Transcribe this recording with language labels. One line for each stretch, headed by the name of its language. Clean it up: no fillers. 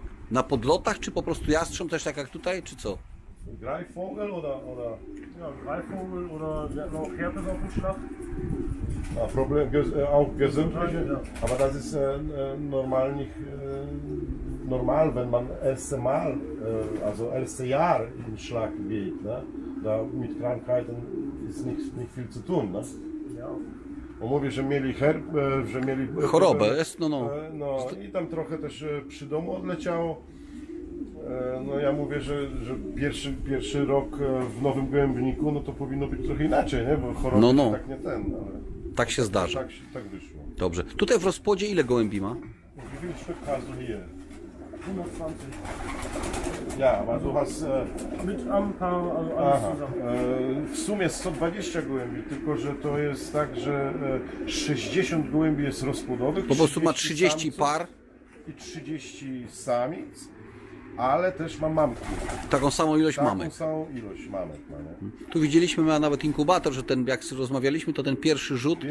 Polish: Na podlotach, czy po prostu jastrząb też jak tutaj, czy co?
German: Greifvogel oder ja, Greifvogel oder wir hatten auch Herpes auf dem Schlag. A problem, auch gesundheitliche, ja. Aber das ist normal nicht normal, wenn man erste Mal, also erste Jahr in Schlag geht, ne? Da mit Krankheiten ist nicht viel zu tun, ne? Ja.
Polish: Bo mówię, że mieli że mieli chorobę, jest no no. No i tam trochę też przy domu odleciało. No ja mówię, że pierwszy rok w nowym gołębniku, no to powinno być trochę inaczej, nie? Bo choroba no, no. Tak nie ten, ale... Tak się zdarza. Tak wyszło. Dobrze. Tutaj w rozpłodzie ile gołębi ma?
German: Wie viel Stück hast du hier? 25. Ja, aber du hast... mit ein paar, also alles zusammen.
Polish: W sumie 120 gołębi, tylko że to jest tak, że 60 gołębi jest rozpłodowych. Po prostu ma 30 par. I 30 samic. Ale też mam mamki. Taką samą ilość mamy. Taką samą ilość mamek mamy. Tu widzieliśmy, ma nawet inkubator, że ten, jak rozmawialiśmy, to ten pierwszy rzut.